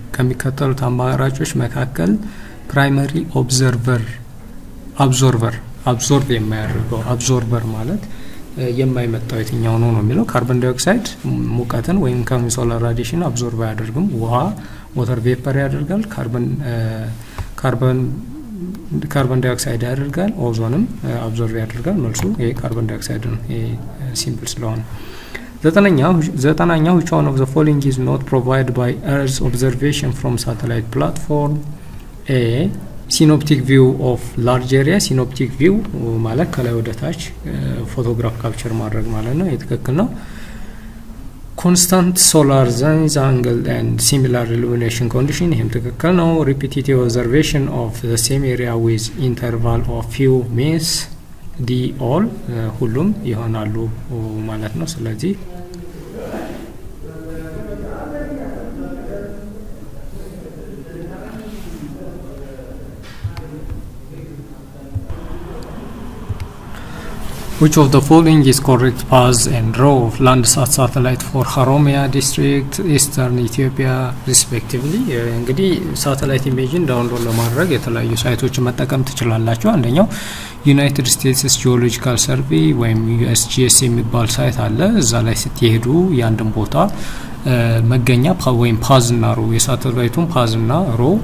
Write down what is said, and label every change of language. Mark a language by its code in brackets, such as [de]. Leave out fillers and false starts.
[am] ከሚከተሉት አማራጮች መካከል primary observer absorber absorb የማያደርገው absorber ማለት የማይመጣው የትኛው ነው የሚለው። ካርቦን ዳይኦክሳይድ ሙቀትን ወይም ከም ሶላር ራዲሽን አብዞርብ አያደርግም። ውሃ ወተር ቬፐር ያደርጋል። ካርቦን ዳይኦክሳይድ ያደርጋል። ኦዞንም አብዞርብ ያደርጋል። መልሱ ይሄ ካርቦን ዳይኦክሳይድ ነው። ይሄ ሲምፕል ስለሆነ ዘጠናኛው [en] which one of the following is not provided by earth observation from satellite platform? A synoptic view of large area. [am] synoptic view ማለት ከላይ ወደ ታች ፎቶግራፍ ካፕቸር ማድረግ ማለት ነው። የትክክል ነው። [en] constant solar zenith angle and similar illumination condition. [am] ይሄም ትክክል ነው። [en] repetitive observation of the same area with interval of few minutes. [am] d all ሁሉም ይሆናሉ ማለት ነው። ስለዚህ [en] Which of the following is correct paths and route Landsat satellite for Haromia district eastern Ethiopia respectively? [am] እንግዲህ satellite imaging download ለማድረግ የተለያዩ ሳይቶችን መጠቀም ትችላላችሁ። አንደኛው United States Geological Survey ወይም USGS የሚባል ሳይት አለ። እዛ ላይ ስትሄዱ ያንደም ቦታ መገኛ ወይም ፓዝ እና ሮ የሳተላይቱን ፓዝ እና ሮ